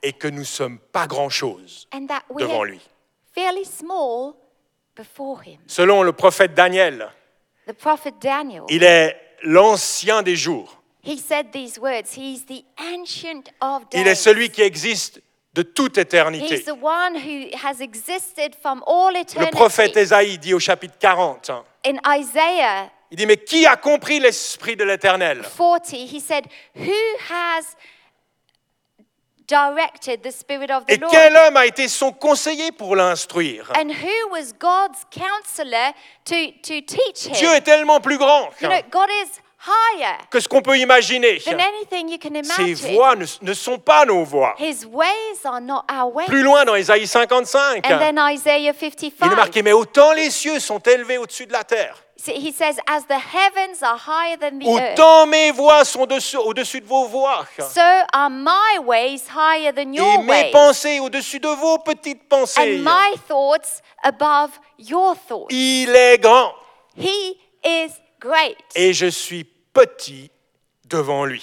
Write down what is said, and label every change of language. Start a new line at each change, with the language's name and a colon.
French: Et que nous sommes pas grand-chose
English: and that we
French: devant lui.
English: Fairly small before him.
French: Selon le prophète Daniel.
English: The prophet Daniel.
French: Il est l'ancien des jours.
English: He said these words. He's the ancient of days.
French: Il est celui qui existe de toute éternité.
English: He's the one who has existed from all eternity.
French: Le prophète Ésaïe dit au chapitre 40.
English: In Isaiah.
French: Il dit mais qui a compris l'esprit de l'Éternel?
English: 40. He said who has directed the spirit of the Lord?
French: Et quel homme a été son conseiller pour l'instruire?
English: And who was God's counselor to teach him?
French: Dieu est tellement plus grand.
English: You know, God is higher
French: que ce qu'on peut imaginer.
English: Than anything you can imagine.
French: Ses voies ne sont pas nos voies.
English: His ways are not our ways.
French: Plus loin dans Ésaïe 55.
English: And then Isaiah 55.
French: Il est marqué mais autant les cieux sont élevés au-dessus de la terre.
English: So he says as the heavens are higher than the
French: autant
English: earth.
French: Autant mes voies sont au-dessus de vos voies.
English: So are my ways higher than your
French: et
English: ways.
French: Et mes pensées au-dessus de vos petites pensées.
English: And my thoughts above your thoughts.
French: Il est grand.
English: He is great.
French: Et je suis petit devant lui.